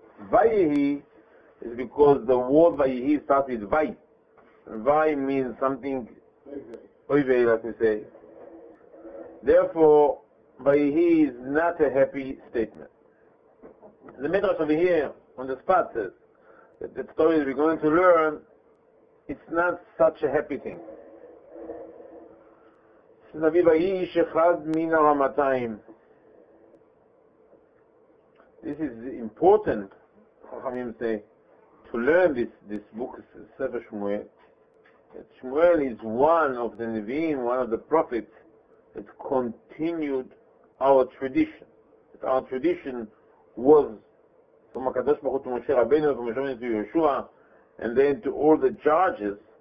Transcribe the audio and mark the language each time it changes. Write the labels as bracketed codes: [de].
[en] "ויהי" is because the word "ויהי" starts with "וי", and "וי" means something, "ויהי", like we say. Therefore, "ויהי" is not a happy statement. The Midrash over here on the spot says that the story that we're going to learn, it's not such a happy thing. [he] So, Navi, "ויהי איש אחד מן הרמתיים." [en] This is important, Chachamim say, to learn this book, Sefer Shmuel. That Shmuel is one of the Nevi'im, one of the prophets, that continued our tradition. That our tradition was from HaKadosh Baruch Hu to Moshe Rabbeinu, from Moshe Rabbeinu to Yeshua, and then to all the judges.